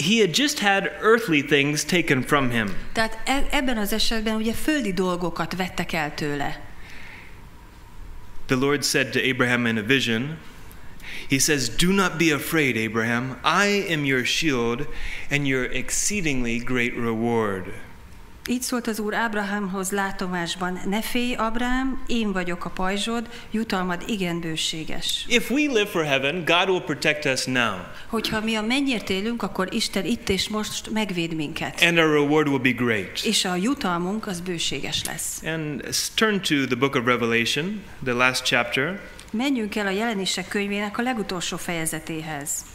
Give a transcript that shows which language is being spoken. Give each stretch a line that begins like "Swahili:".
English: He had just had earthly things taken from him.
Hungarian: Tehát ebben az esetben ugye földi dolgokat vettek el tőle.
English: The Lord said to Abraham in a vision, he says, "Do not be afraid, Abraham. I am your shield and your exceedingly great reward."
Hungarian: Így szólt az Úr Ábrahámhoz látomásban: ne félj, Abrám, én vagyok a pajzsod, jutalmad igen bőséges.
English: If we live for heaven, God will protect us now.
Hungarian: Hogyha mi a mennyért élünk, akkor Isten itt és most megvéd minket.
English: And our reward will be great.
Hungarian: És a jutalmunk az bőséges lesz.
English: And turn to the book of Revelation, the last chapter.
Hungarian: Menjünk el a Jelenések könyvének a legutolsó fejezetéhez.